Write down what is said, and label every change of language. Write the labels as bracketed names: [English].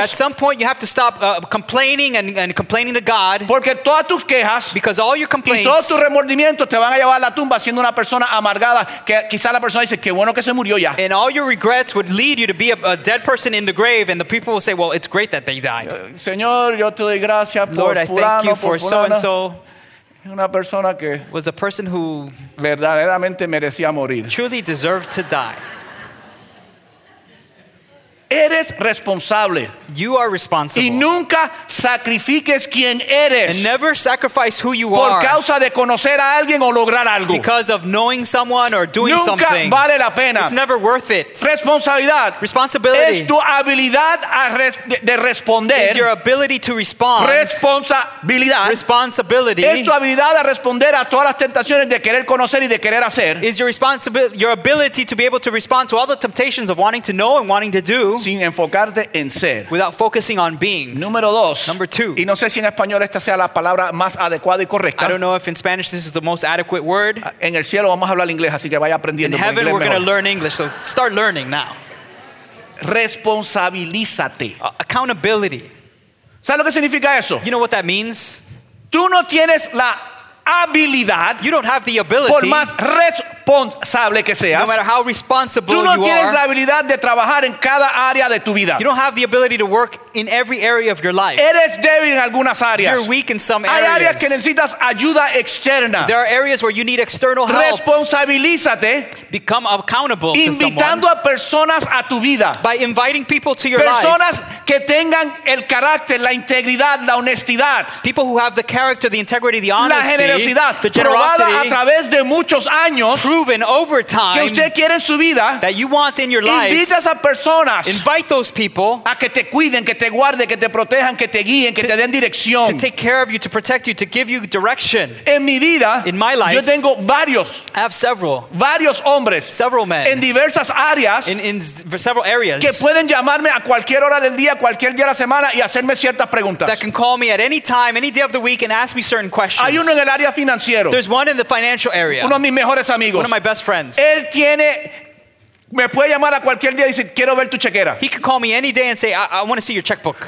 [English] At some point you have to stop complaining and complaining to God. [Spanish] Porque todas tus quejas, [English] because all your complaints [Spanish] y todos tus remordimientos te van a llevar a la tumba siendo una persona amargada que quizá la persona dice qué bueno que se murió ya. [English] And all your regrets would lead you to be a dead person in the grave and the people will say well it's great that they died. [Spanish] Señor, yo te doy gracias por [English] Lord, [Spanish] fulano, [English] I thank you for so and so. [Spanish] Una persona que [English] was a person who [Spanish] verdaderamente merecía morir. [English] Truly deserved to die. [Spanish] eres responsable. [English] You are responsible. [Spanish] Y nunca sacrifiques quien eres. [English] And never sacrifice who you [Spanish] are. Por causa de conocer a alguien o lograr algo. [English] Because of knowing someone or doing [Spanish] nunca [English] something. [Spanish] Nunca vale la pena. [English] It's never worth it. [Spanish] Responsabilidad. [English] Responsibility. [Spanish] Es tu habilidad de responder. [English] It's your ability to respond. [Spanish] Responsabilidad. [English] Responsibility. [Spanish] Es tu habilidad a responder a todas las tentaciones de querer conocer y de querer hacer. [English] Is your ability to be able to respond to all the temptations of wanting to know and wanting to do. [Spanish] Sin enfocarte en ser. [English] Without focusing on being. [Spanish] Número dos. [English] Number two. [Spanish] Y no sé si en español esta sea la palabra más adecuada y correcta. [English] I don't know if in Spanish this is the most adequate word. [Spanish] En el cielo vamos a hablar inglés, así que vaya aprendiendo [English] inglés. In heaven [Spanish] inglés [English] we're going to learn English, so start learning now. [Spanish] Responsabilízate. [English] Accountability. [Spanish] ¿Sabes lo que significa eso? [English] You know what that means? [Spanish] Tú no tienes la habilidad. [English] You don't have the ability. [Spanish] Por más responsable que seas. [English] No matter how responsible you are. [Spanish] Tú no tienes la habilidad de trabajar en cada área de tu vida. [English] You don't have the ability to work in every area of your life. [Spanish] Eres débil en algunas áreas. [English] You're weak in some areas. [Spanish] Hay áreas que necesitas ayuda externa. [English] There are areas where you need external help. [Spanish] Responsabilízate. [English] Become accountable. [Spanish] Invitando [English] to someone [Spanish] a personas a tu vida. [English] By inviting people to your [Spanish] personas [English] life. [Spanish] Personas que tengan el carácter, la integridad, la honestidad. [English] People who have the character, the integrity, the honesty. [Spanish] La generosidad. [English] The generosity. [Spanish] Probada a través de muchos años. [English] Proven over time. [Spanish] Que usted quiere en su vida. [English] That you want in your life. [Spanish] Invitas a personas. [English] Invite those people. [Spanish] A que te cuiden, que te guarden, que te protejan, que te guíen, que te den dirección. [English] To take care of you, to protect you, to give you direction. [Spanish] En mi vida. [English] In my life. [Spanish] Yo tengo varios. [English] I have several. [Spanish] Varios hombres. [English] Several men. [Spanish] En diversas áreas. [English] In several areas. [Spanish] Que pueden llamarme a cualquier hora del día, cualquier día de la semana y hacerme ciertas preguntas. [English] That can call me at any time, any day of the week and ask me certain questions. [Spanish] Hay uno en el área financiero. [English] There's one in the financial area. [Spanish] Uno de mis mejores amigos. [English] One of my best friends. [Spanish] Él tiene, me puede llamar a cualquier día y decir, quiero ver tu chequera. [English] He can call me any day and say, I want to see your checkbook.